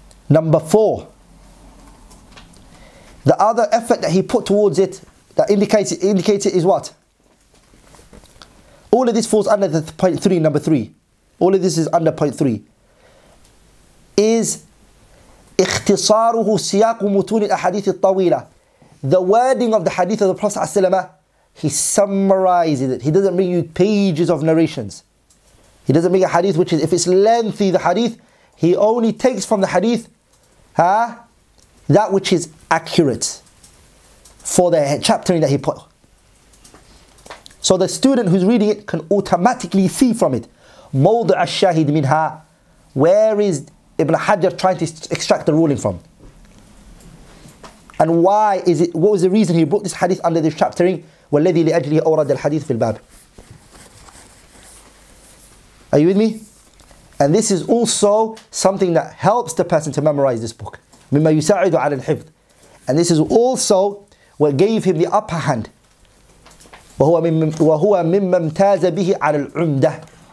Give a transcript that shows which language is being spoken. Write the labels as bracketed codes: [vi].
[en] Number four, the other effort that he put towards it that indicates it is what? All of this falls under the point three, number three. All of this is under point three. Is [ar] اختصاره سياق متون الأحاديث الطويلة, [en] the wording of the hadith of the Prophet ﷺ. He summarizes it. He doesn't bring you pages of narrations. He doesn't make a hadith which is, if it's lengthy, the hadith, he only takes from the hadith that which is accurate for the chapter that he put. So the student who's reading it can automatically see from it, [ar] موضع الشاهد منها, [en] where is Ibn Hajar trying to extract the ruling from? And why is it, what was the reason he brought this hadith under this chapter? [ar] والذي لأجله أورد الحديث في الباب. [en] Are you with me? And this is also something that helps the person to memorize this book. [ar] مما يساعد على الحفظ. [en] And this is also what gave him the upper hand. [ar] وهو مما امتاز به على العمدة.